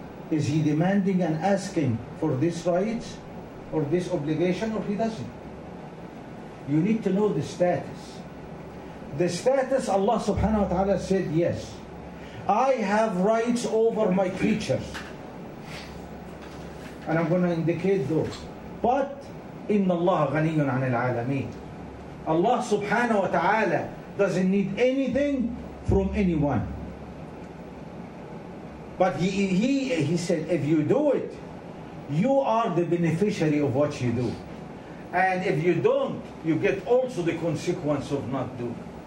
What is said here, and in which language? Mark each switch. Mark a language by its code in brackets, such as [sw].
[en] Is He demanding and asking for this right or this obligation, or He doesn't? You need to know the status. The status, Allah subhanahu wa ta'ala said, yes, I have rights over my creatures. And I'm going to indicate those. [ar] But إِنَّ اللَّهَ غَنِيٌّ عَنِ الْعَالَمِينَ. [en] Allah subhanahu wa ta'ala doesn't need anything from anyone. But he said, if you do it, you are the beneficiary of what you do. And if you don't, you get also the consequence of not doing.